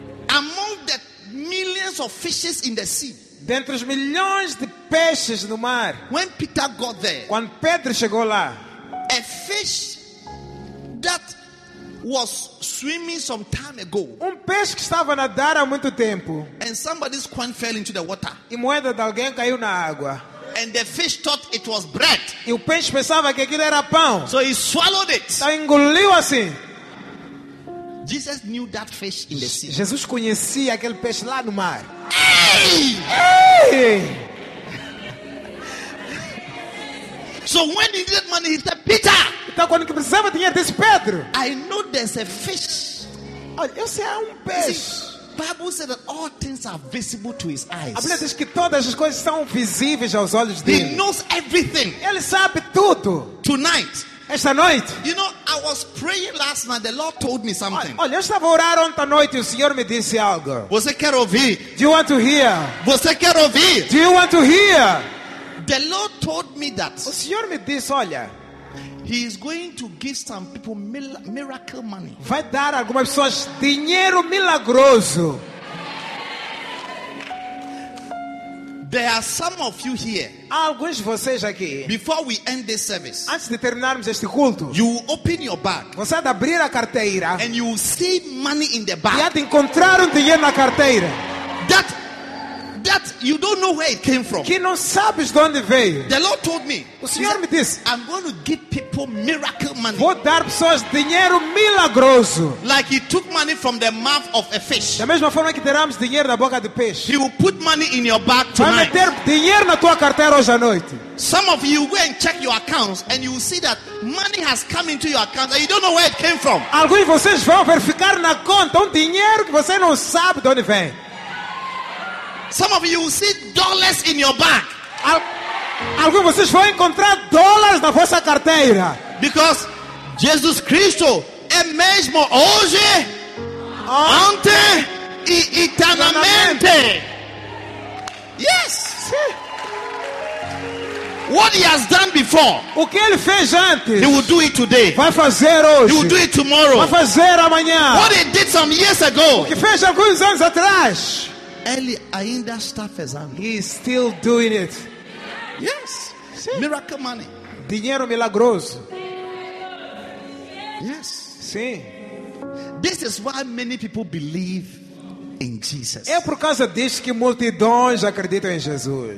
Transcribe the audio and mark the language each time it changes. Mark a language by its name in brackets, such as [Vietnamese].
[English] Among the millions of fishes in the sea. [Portuguese] Dentre os milhões de peixes no mar. [English] When Peter got there, [Portuguese] quando Pedro chegou lá, [English] a fish that was swimming some time ago, [Portuguese] um peixe que estava a nadar há muito tempo, [English] and somebody's coin fell into the water, [Portuguese] e moeda de alguém caiu na água, [English] and the fish thought it was bread, [Portuguese] e o peixe pensava que aquilo era pão, [English] so he swallowed it, [Portuguese] então engoliu assim. [English] Jesus knew that fish in the sea. [Portuguese] Jesus conhecia aquele peixe lá no mar. Hey! Hey! [English] So when he needed money, he said, Peter. [Portuguese] Então quando que precisava dinheiro, disse Pedro. [English] I know there's a fish. [Portuguese] Olha, eu sei há um peixe. [English] Bible said that all things are visible to his eyes. [Portuguese] A Bíblia diz que todas as coisas são visíveis aos olhos dele. [English] He knows everything. [Portuguese] Ele sabe tudo. [English] Tonight. [Portuguese] Esta noite. [English] You know, I was praying last night. The Lord told me something. [Portuguese] Olha, eu estava orando ontem à noite e o Senhor me disse algo. Você quer ouvir? [English] Do you want to hear? [Portuguese] Você quer ouvir? [English] Do you want to hear? The Lord told me that. [Portuguese] O Senhor me disse, olha, [English] he is going to give some people miracle money. [Portuguese] Vai dar algumas pessoas dinheiro milagroso. [English] There are some of you here. [Portuguese] Há alguns de vocês aqui. [English] Before we end this service, [Portuguese] antes de terminarmos este culto, [English] you will open your bag. [Portuguese] Você vai abrir a carteira. [English] And you will see money in the bag. [Portuguese] E vai encontrar um dinheiro na carteira. [English] That you don't know where it came from. [Portuguese] Que não sabes de onde veio. [English] The Lord told me. [Portuguese] O Senhor me disse. [English] I'm going to give people miracle money. [Portuguese] Vou dar pessoas dinheiro milagroso. [English] Like he took money from the mouth of a fish. [Portuguese] Da mesma forma que deramos dinheiro na boca do peixe. [English] He will put money in your bag tonight. [Portuguese] Vai meter dinheiro na tua carteira hoje à noite. [English] Some of you go and check your accounts and you will see that money has come into your account and you don't know where it came from. [Portuguese] Alguns de vocês vão verificar na conta um dinheiro que você não sabe de onde vem. [English] Some of you will see dollars in your bag. [Portuguese] Alguns de vocês vão encontrar dólares na vossa carteira. [English] Because [Portuguese] Jesus Cristo é mesmo hoje, ontem e eternamente. [English] Yes. What he has done before, [Portuguese] o que ele fez antes, [English] he will do it today. [Portuguese] Vai fazer hoje. [English] He will do it tomorrow. [Portuguese] Vai fazer amanhã. [English] What he did some years ago, [Portuguese] o que fez alguns anos atrás, ele ainda está fazendo. [English] He is still doing it. Yes. [Portuguese] Sim. [English] Miracle money. [Portuguese] Dinheiro milagroso. [English] Yes. [Portuguese] Sim. [English] This is why many people believe in Jesus. [Portuguese] É por causa disso que multidões acreditam em Jesus.